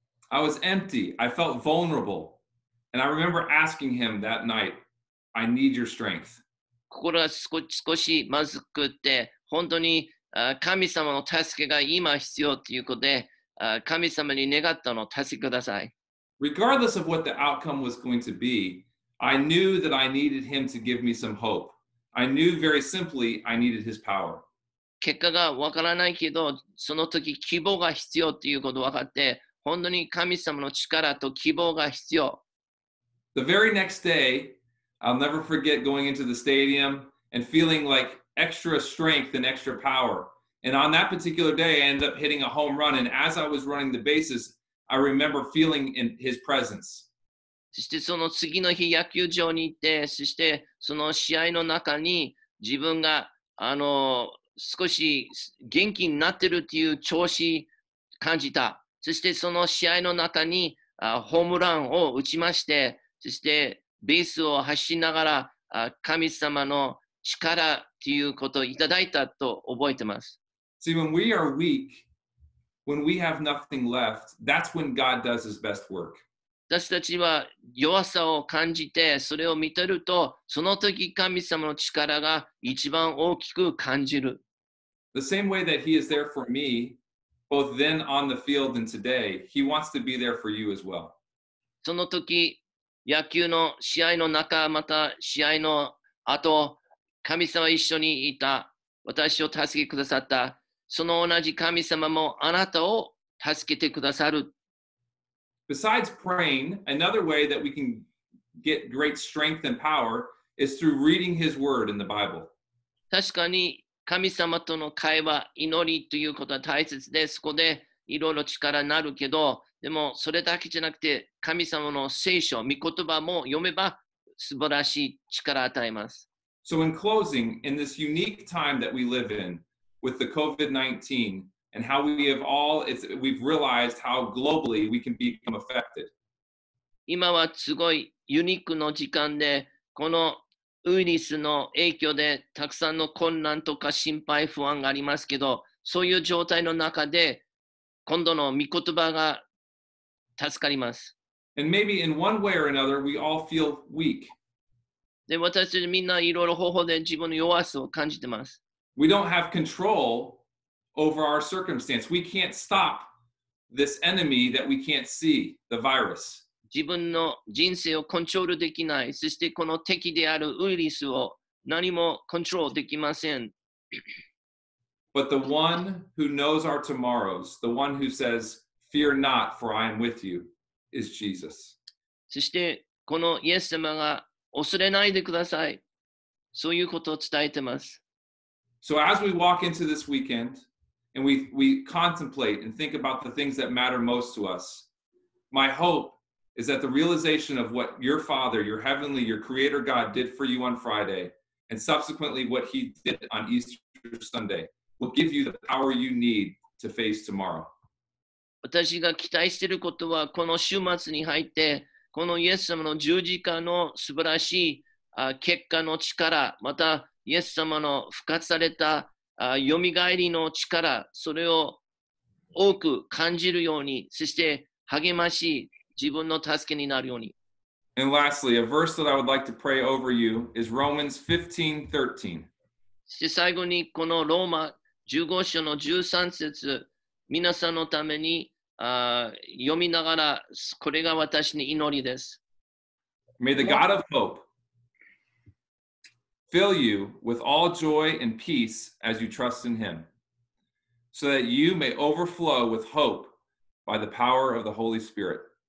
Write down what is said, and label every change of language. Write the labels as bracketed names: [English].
[English] I was empty. I felt vulnerable. And I remember asking him that night,I need your strength. [Japanese] 心が少しまずくって、本当に神様の助けが今必要ということで、神様に願ったのを助けください。 [English] Regardless of what the outcome was going to be, I knew that I needed him to give me some hope. I knew very simply I needed his power. [Japanese] 結果がわからないけど、その時希望が必要ということを分かって、本当に神様の力と希望が必要。 [English] The very next day,I'll never forget going into the stadium and feeling like extra strength and extra power. And on that particular day, I ended up hitting a home run. And as I was running the bases, I remember feeling in his presence. [Japanese] そしてその次の日野球場に行って、そしてその試合の中に自分が少し元気になってるっていう調子感じた。そしてその試合の中にホームランを打ちまして、そしてベースを走りながら神様の力ということをいただいたと覚えてます。 [English] See, when we are weak, when we have nothing left, that's when God does his best work. [Japanese] 私たちは弱さを感じてそれを見てるとその時神様の力が一番大きく感じる。 [English] The same way that he is there for me, both then on the field and today, he wants to be there for you as well. [Japanese] その時野球の試合の中、また試合の後、神様一緒にいた、私を助けくださった、その同じ神様もあなたを助けてくださる。 [English] Besides praying, another way that we can get great strength and power is through reading His Word in the Bible. [Japanese] 確かに神様との会話、祈りということは大切です。そこでいろいろ力になるけど、でもそれだけじゃなくて神様の聖書、御言葉も読めば素晴らしい力を与えます。 [English] So in closing, in this unique time that we live in, with the COVID-19, and how we've realized how globally we can become affected. [Japanese] 今はすごいユニークの時間で、このウイルスの影響でたくさんの困難とか心配、不安がありますけど、そういう状態の中で、今度の御言葉が助かります。 [English] And maybe in one way or another, we all feel weak. [Japanese] で、私たちみんないろいろ方法で自分の弱さを感じてます。 [English] We don't have control over our circumstance. We can't stop this enemy that we can't see, the virus. [Japanese] 自分の人生をコントロールできない。そしてこの敵であるウイルスを何もコントロールできません。 [English] But the one who knows our tomorrows, the one who says, fear not, for I am with you, is Jesus. [Japanese] そしてこのイエス様が恐れないでください。そういうことを伝えてます。 [English] So as we walk into this weekend, and we contemplate and think about the things that matter most to us, my hope is that the realization of what your Father, your Heavenly, your Creator God did for you on Friday, and subsequently what He did on Easter Sunday, will give you the power you need to face tomorrow. [Japanese] 私が期待していることは、この週末に入って、このイエス様の十字架の素晴らしい結果の力、またイエス様の復活されたよみがえりの力、それを多く感じるように、そして励まし、自分の助けになるように。 [English] And lastly, a verse that I would like to pray over you is Romans 15:13. [Japanese] そして最後に、このローマ15章の13節、皆さんのために読みながら、これが私の祈りです。 [English] May the God of hope fill you with all joy and peace as you trust in Him, so that you may overflow with hope by the power of the Holy Spirit.